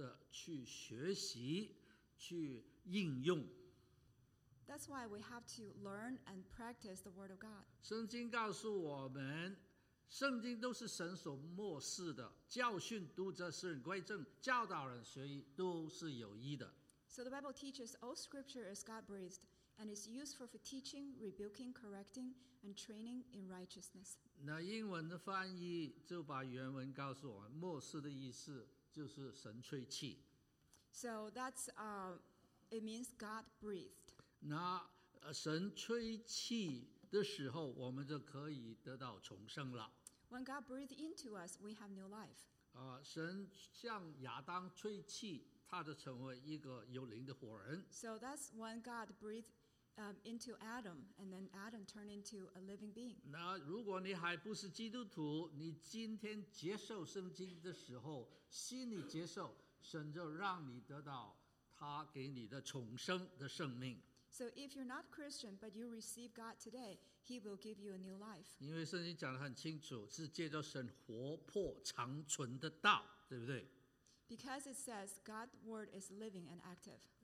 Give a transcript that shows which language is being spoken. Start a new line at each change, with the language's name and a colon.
Chinese: 那您就要好好的去学习, 去应用。
English: That's why we have to learn and practice the word of God.
Chinese: 圣经告诉我们, 圣经都是神所默示的, 教训读者使人归正, 教导人学义都是有益的。
English: So the Bible teaches all scripture is God-breathed and is useful for teaching, rebuking, correcting, and training in righteousness.
Chinese: 那英文的翻译就把原文告诉我们, 默示的意思就是神吹气。
English: So that's, it means God breathed.
Chinese: 那神吹气的时候, 我们就可以得到重生了。
English: When God breathed into us, we have new life.
Chinese: 神向亚当吹气, 他就成为一个有灵的活人。
English: So that's when God breathed into Adam, and then Adam turned into a living being.
Chinese: 那如果你还不是基督徒, 你今天接受圣经的时候, 心里接受, 神就让你得到他给你的重生的生命。
English: So if you're not Christian, but you receive God today, He will give you a new life.
Chinese: 因为圣经讲得很清楚, 是借着神活泼长存的道, 对不对?
English: Because it says God's word is living and active.